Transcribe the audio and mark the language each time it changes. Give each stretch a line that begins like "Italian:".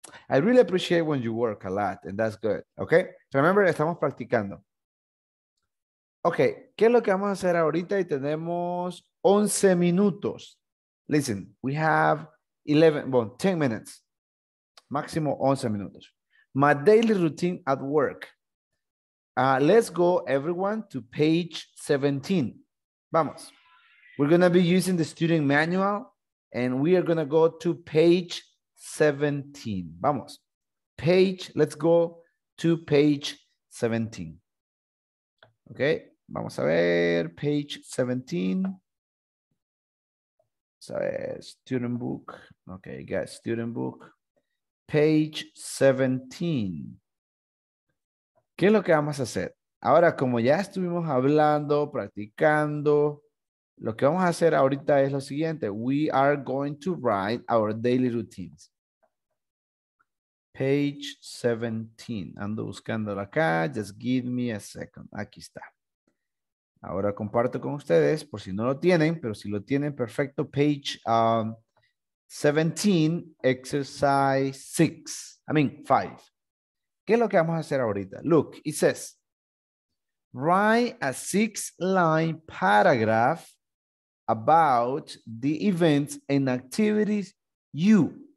English: I really appreciate when you work a lot, and that's good. Okay, remember,
Spanish: estamos practicando. Okay, ¿qué es lo que vamos a hacer ahorita? Y tenemos 11 minutos.
English: Listen, we have 10 minutes,
Spanish: máximo 11 minutos.
English: My daily routine at work. Let's go, everyone, to page 17.
Spanish: Vamos.
English: We're going to be using the student manual, and we are going to go to page 17.
Spanish: Vamos.
English: Let's go to page 17.
Spanish: Okay, vamos a ver, page 17.
English: So, student book. Okay, you got student book. Page 17.
Spanish: ¿Qué es lo que vamos a hacer? Ahora, como ya estuvimos hablando, practicando, lo que vamos a hacer ahorita es lo siguiente.
English: We are going to write our daily routines. Page 17.
Spanish: Ando buscándolo acá.
English: Just give me a second.
Spanish: Aquí está. Ahora comparto con ustedes, por si no lo tienen, pero si lo tienen, perfecto.
English: Page 17, exercise 6. I mean, 5.
Spanish: ¿Qué es lo que vamos a hacer ahorita?
English: Look, it says, write a 6-line paragraph about the events and activities you.